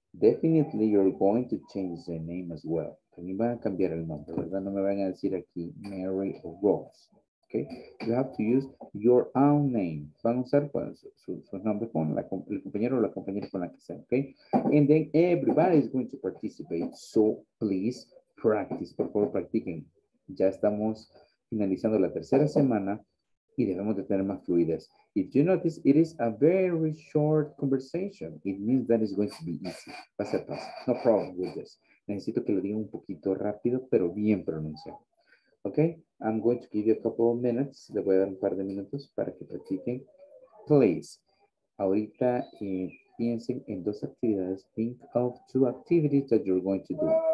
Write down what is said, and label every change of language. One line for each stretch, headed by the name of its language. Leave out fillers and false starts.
English: Definitely you're going to change the name as well.
Spanish: También van a cambiar el nombre, ¿verdad? No me van a decir aquí Mary o Rose. Okay?
English: You have to use your own name.
Spanish: Van a usar su nombre con el compañero o la compañera con la que sea.
English: Okay? And then everybody is going to participate. So please practice.
Spanish: Por favor, practiquen. Ya estamos finalizando la tercera semana. y debemos de tener más fluidez.
English: If you notice, it is a very short conversation. It means that it's going to be easy.
Spanish: Va a ser fácil.
English: No problem with this.
Spanish: Necesito que lo diga un poquito rápido, pero bien pronunciado.
English: Okay? I'm going to give you a couple of minutes.
Spanish: Le voy a dar un par de minutos para que practiquen. Please. Ahorita piensen en dos actividades.
English: Think of two activities that you're going to do.